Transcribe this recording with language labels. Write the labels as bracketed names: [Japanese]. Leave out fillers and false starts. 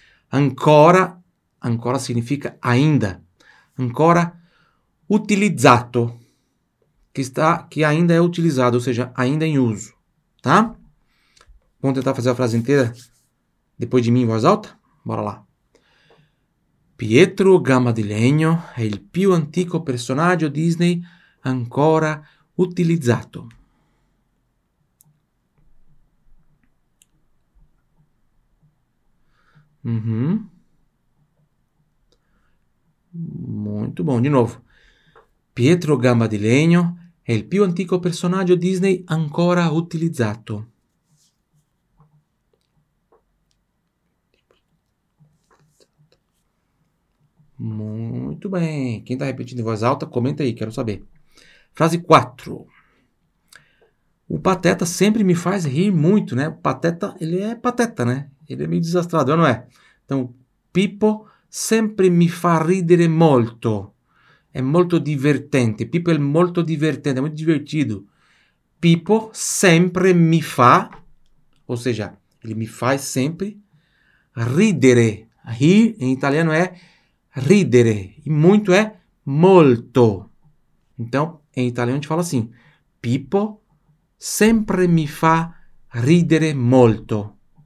[Portuguese] Ancora significa ainda. [Italian] Ancora utilizzato. [Portuguese] Que ainda é utilizado, ou seja, ainda em uso, tá? Vamos tentar fazer a frase inteira depois de mim em voz alta? Bora lá. [Italian] Pietro Gamba di Legno è il più antico personaggio Disney ancora utilizzato. [Portuguese] Muito bom, de novo. [Italian] Pietro Gamba di Legno è il più antico personaggio Disney ancora utilizzato. [Portuguese] Muito bem. Quem está repetindo em voz alta, comenta aí, quero saber. Frase 4. O Pateta sempre me faz rir muito, né? O Pateta, ele é pateta, né? Ele é meio desastrado, não é? [Italian] Então, Pippo sempre mi fa ridere molto. È molto divertente. Pippo è molto divertente, è molto divertido. Pippo sempre mi fa, [Portuguese] ou seja, ele me faz sempre ridere. Rir em italiano é ridere. E muito é molto. Então, em italiano a gente fala assim: [Italian] Pippo sempre mi fa ridere molto.